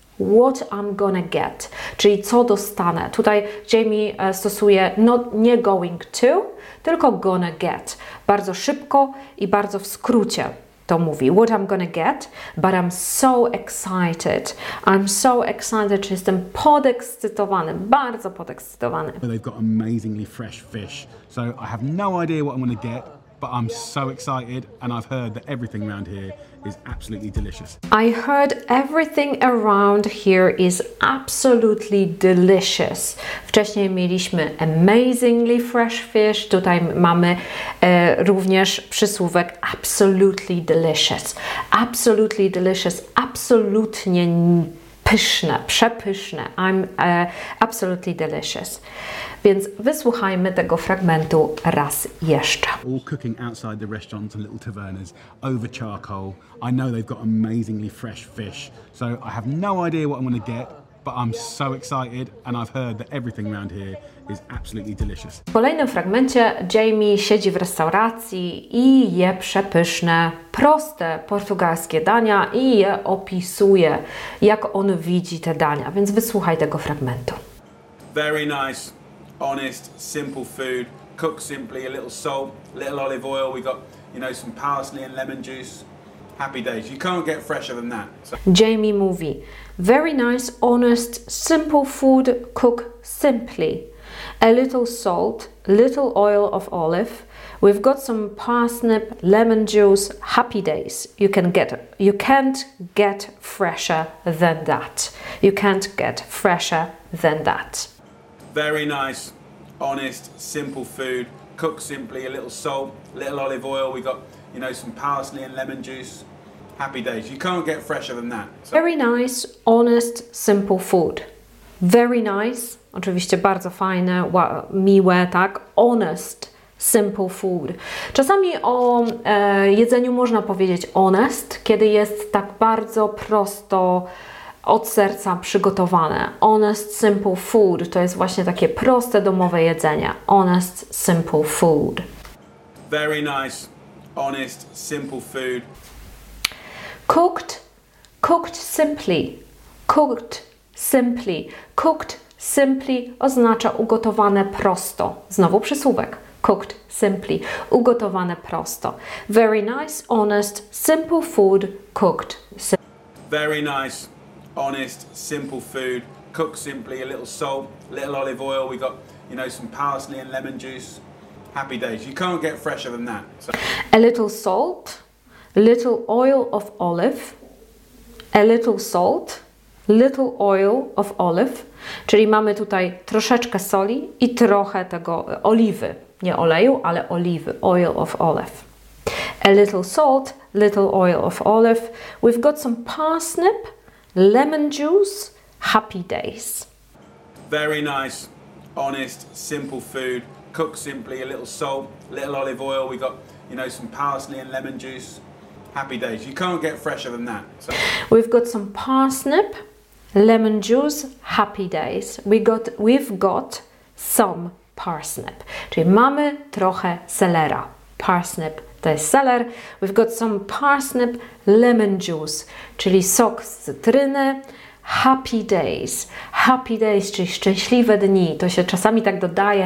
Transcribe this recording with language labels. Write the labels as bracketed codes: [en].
[en] What I'm gonna get, [pl] czyli co dostanę. Tutaj Jamie stosuje nie going to, tylko gonna get. Bardzo szybko i bardzo w skrócie to mówi. [en] What I'm gonna get, but I'm so excited. I'm so excited, [pl] czyli jestem podekscytowany, bardzo podekscytowany. [en] But they've got amazingly fresh fish, so I have no idea what I'm gonna get. But I'm so excited, and I've heard that everything around here is absolutely delicious. I heard everything around here is absolutely delicious. [pl] Wcześniej mieliśmy [en] amazingly fresh fish, [pl] tutaj mamy również przysłówek [en] absolutely delicious. Absolutely delicious, [pl] absolutnie pyszne, przepyszne. [en] I'm absolutely delicious. [pl] Więc wysłuchajmy tego fragmentu raz jeszcze. [en] All cooking outside the restaurants and little tavernas over charcoal. I know they've got amazingly fresh fish, so I have no idea what I'm going to get, but I'm so excited, and I've heard that everything around here is absolutely delicious. [pl] W kolejnym fragmencie Jamie siedzi w restauracji i je przepyszne, proste portugalskie dania i je opisuje, jak on widzi te dania. Więc wysłuchaj tego fragmentu. [en] Very nice. Honest, simple food, cooked simply, a little salt, a little olive oil. We got, you know, some parsley and lemon juice. Happy days. You can't get fresher than that. So. Jamie Movie. Very nice, honest, simple food, cooked simply. A little salt, little oil of olive. We've got some parsnip, lemon juice, happy days. You can't get fresher than that. You can't get fresher than that. Very nice, honest, simple food, cooked simply, a little salt, a little olive oil. We got, you know, some parsley and lemon juice. Happy days. You can't get fresher than that. So. Very nice, honest, simple food. Very nice. [pl] Oczywiście bardzo fajne, miłe, tak? [en] Honest, simple food. [pl] Czasami o jedzeniu można powiedzieć honest, kiedy jest tak bardzo prosto, od serca przygotowane. [en] Honest, simple food. [pl] To jest właśnie takie proste, domowe jedzenie. [en] Honest, simple food. Very nice. Honest, simple food. Cooked. Cooked simply. Cooked simply. Cooked simply [pl] oznacza ugotowane prosto. Znowu przysłówek. Cooked simply. Ugotowane prosto. [en] Very nice. Honest, simple food. Cooked simply. Very nice. Honest, simple food, cooked simply, a little salt, a little olive oil. We got, you know, some parsley and lemon juice. Happy days. You can't get fresher than that. So. A little salt, little oil of olive. A little salt, little oil of olive, [pl] czyli mamy tutaj troszeczkę soli i trochę tego oliwy, nie oleju, ale oliwy, oil of olive. [en] A little salt, little oil of olive. We've got some parsnip, lemon juice, happy days. Very nice, honest, simple food. Cooked simply, a little salt, little olive oil. We got, you know, some parsley and lemon juice. Happy days. You can't get fresher than that. So. We've got some parsnip, lemon juice, happy days. We've got some parsnip. [pl] Czyli mamy trochę selera. Parsnip. To jest seller. [en] We've got some parsnip lemon juice, [pl] czyli sok z cytryny. [en] Happy days. Happy days, [pl] czyli szczęśliwe dni. To się czasami tak dodaje.